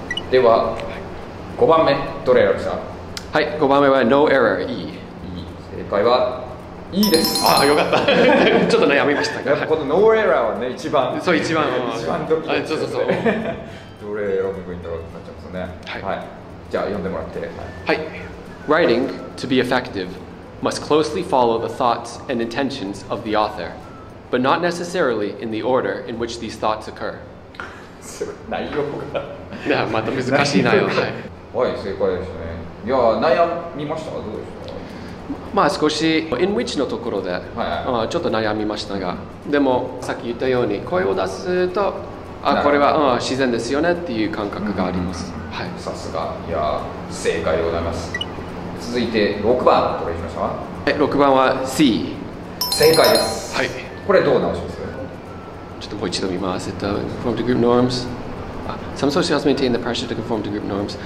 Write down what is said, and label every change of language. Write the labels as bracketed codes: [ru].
[ja] では、5番目、どれ選びました？はい、5番目は No Error、E。正解は E です。ああ、よかったちょっと悩みましたが、この No Error はね、一番、そう、一番一番ドキドキですよね。どれ選ぶといいんだろうってなっちゃうんですよね、はい、はい、じゃあ読んでもらって、 [en] はい、Writing, to be effective, must closely follow the thoughts and intentions of the author, but not necessarily in the order in which these thoughts occur。 [ja] 内容がいや、また難しい内容、はい、はい、正解ですね。いや、悩みました、どうでしょう。まあ少し [en] in which [ja] のところで、はいはい、まあ、ちょっと悩みましたが、でもさっき言ったように声を出すと、あ、これは、うん、自然ですよねっていう感覚があります、うんうんうん、はい、さすが、いや、正解でございます。続いて6番、どれにしましたか？ 6番は C。正解です、はい、これどう直します？ちょっともう一度見ます。 [en] from the group normsSome socials maintain the pressure to conform to group norms.